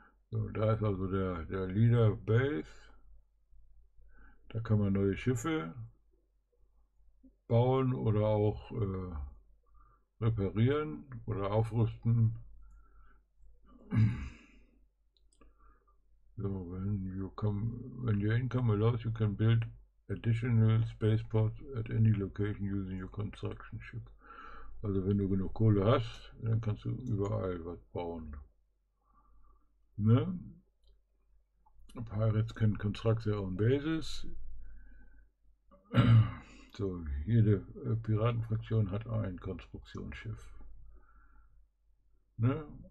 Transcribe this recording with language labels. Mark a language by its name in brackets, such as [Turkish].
[German] So, da ist also der Leader Base. Da kann man neue Schiffe bauen oder auch reparieren oder aufrüsten. [English] When your income allows, you can build additional spaceports at any location using your construction ship. [German] Also wenn du genug Kohle hast, dann kannst du überall was bauen. [English] Ne? Pirates can construct their own bases. [German] So, jede Piratenfraktion hat ein Konstruktionsschiff. Ne?